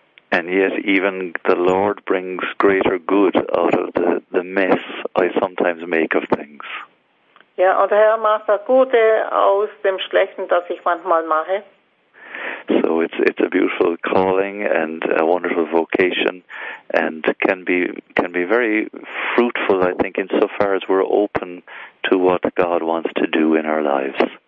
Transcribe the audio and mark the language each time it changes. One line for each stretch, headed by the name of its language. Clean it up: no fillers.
English: And yet even the Lord brings greater good out of the mess I sometimes make of things.
German: Ja, und der Herr macht das Gute aus dem Schlechten, das ich manchmal mache.
English: So it's a beautiful calling and a wonderful vocation and can be very fruitful, I think, in so far as we're open to what God wants to do in our lives.